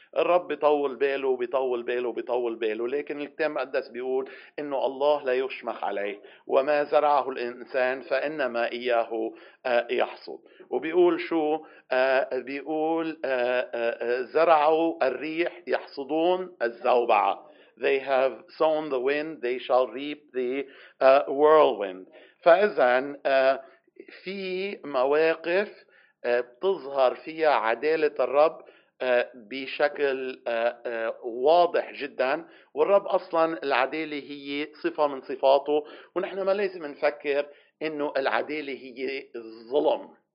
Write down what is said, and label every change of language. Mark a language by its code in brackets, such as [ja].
[ar] الرب بيطول باله بيطول باله بيطول باله، لكن الكتاب المقدس بيقول إنه الله لا يشمخ عليه، وما زرعه الإنسان فإنما إياه يحصد. وبيقول شو، بيقول زرعوا الريح يحصدون الزوبعة. [en] They have sown the wind, they shall reap the whirlwind. [ar] فإذن في مواقف بتظهر فيها عدالة الرب بشكل واضح جدا، والرب أصلا العدالة هي صفة من صفاته، ونحن ما لازم نفكر إنه العدالة هي الظلم.